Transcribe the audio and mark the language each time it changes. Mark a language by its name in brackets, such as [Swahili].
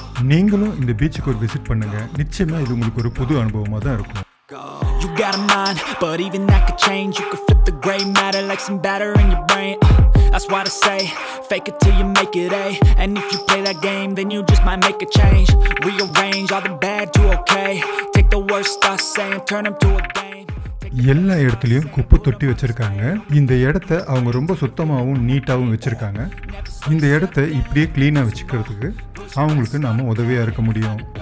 [Tamil] நீங்களும் இந்த பீச்சுக்கு ஒரு விசிட் பண்ணுங்க. நிச்சயமா இது உங்களுக்கு ஒரு புது அனுபவமா தான் இருக்கும். [English] You got a mind, but even that could change. You could flip the gray matter like some batter in your brain. That's why I say, fake it till you make it, eh? And if you play that game, then you just might make a change. Rearrange all the bad to okay. Take the worst thoughts saying, turn them to a game. [Tamil] எல்லா இடத்துலையும் குப்பு தொட்டி வச்சுருக்காங்க. இந்த இடத்த அவங்க ரொம்ப சுத்தமாகவும் நீட்டாகவும் வச்சுருக்காங்க. இந்த இடத்த இப்படியே க்ளீனாக வச்சுக்கிறதுக்கு அவங்களுக்கு நாம் உதவியாக இருக்க முடியும்.